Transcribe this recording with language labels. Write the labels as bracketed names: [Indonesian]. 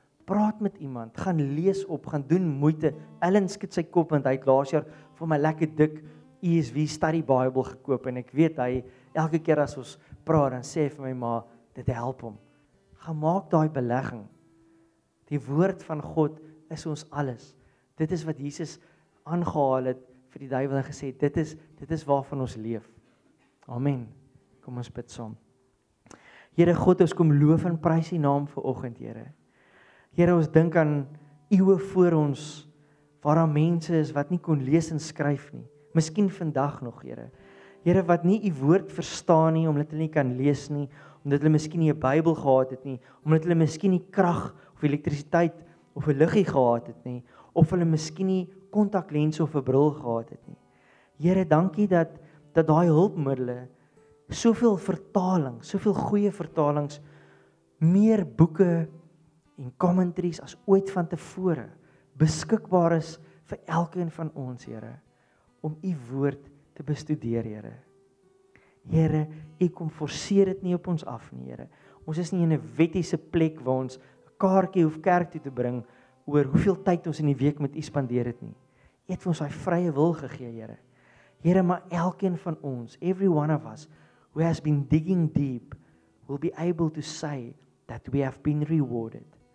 [Afrikaans] praat met iemand, gaan lees op, gaan doen moeite. Ellen skud sy kop want hy het laas jaar vir my lekker dik ESV Study Bible gekoop en ek weet hy elke keer as ons praat dan sê hy vir my ma, dit help hom. Gaan maak daai belegging. Die woord van God is ons alles. Dit is wat Jesus aangehaal het vir die duiwel en gesê dit is waarvan ons leef. Amen. Kom ons bid saam. Here God, ons kom loof en prys U naam vanoggend, Here. Here, ons dink aan eeue voor ons waar daar mense is wat nie kon lees en skryf nie. Miskien vandag nog, Here. Here wat nie U woord verstaan nie omdat hulle nie kan lees nie, omdat hulle miskien nie 'n Bybel gehad het nie, omdat hulle miskien nie krag of elektrisiteit of 'n liggie gehad het nie, of hulle miskien nie kontaklense of 'n bril gehad het nie. Here, dankie dat daai hulpmiddels soveel vertalings, soveel goeie vertalings, meer boeke en commentaries as ooit van tevore beskikbaar is vir elkeen van ons, Here, om U woord te bestudeer, Here. Here, U kom forceer dit nie op ons af nie, Here. Ons is nie in 'n wettiese plek waar ons 'n kaartjie hoef kerk toe te bring oor hoeveel tyd ons in die week met U spandeer het nie. U het vir ons daai vrye wil gegee, Here. Here, maar elkeen van ons, [English] every one of us who has been digging deep will be able to say that we have been rewarded.